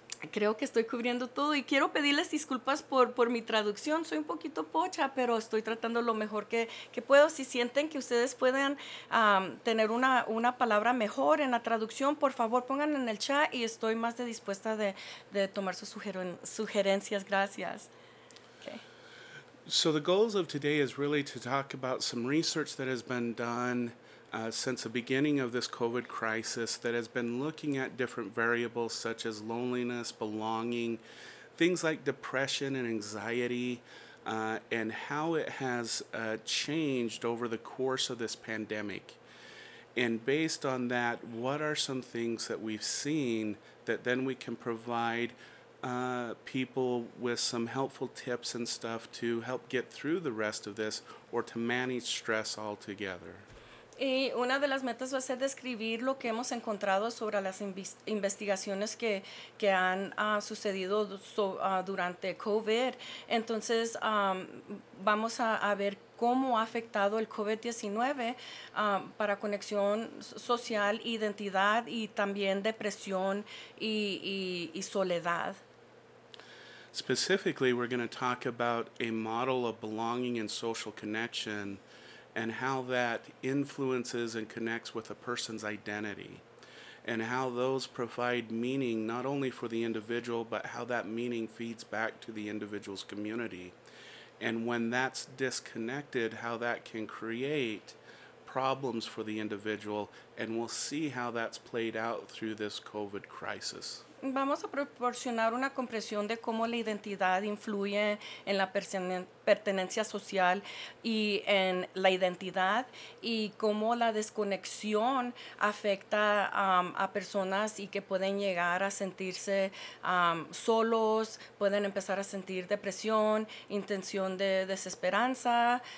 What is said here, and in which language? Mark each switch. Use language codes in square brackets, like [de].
[es] creo que estoy cubriendo todo y quiero pedirles disculpas por mi traducción. Soy un poquito pocha, pero estoy tratando lo mejor que puedo. Si sienten que ustedes pueden tener una palabra mejor en la traducción, por favor, pongan en el chat y estoy más de dispuesta de tomar sus sugerencias. Gracias. [en] So the goals of today is really to talk about some research that has been done since the beginning of this COVID crisis that has been looking at different variables such as loneliness, belonging, things like depression and anxiety, and how it has changed over the course of this pandemic. And based on that, what are some things that we've seen that then we can provide people with some helpful tips and stuff to help get through the rest of this or to manage stress altogether. [es] Y una de las metas va a ser describir lo que hemos encontrado sobre las investigaciones que han sucedido durante COVID. Entonces, vamos a ver cómo ha afectado el COVID-19 para conexión social, identidad y también depresión y soledad. [en] Specifically, we're going to talk about a model of belonging and social connection and how that influences and connects with a person's identity and how those provide meaning not only for the individual, but how that meaning feeds back to the individual's community. And when that's disconnected, how that can create problems for the individual, and we'll see how that's played out through this COVID crisis. [es] Vamos a proporcionar una comprensión de cómo la identidad influye en la pertenencia social y en la identidad y cómo la desconexión afecta a personas y que pueden llegar a sentirse solos, pueden empezar a sentir depresión, intención de desesperanza.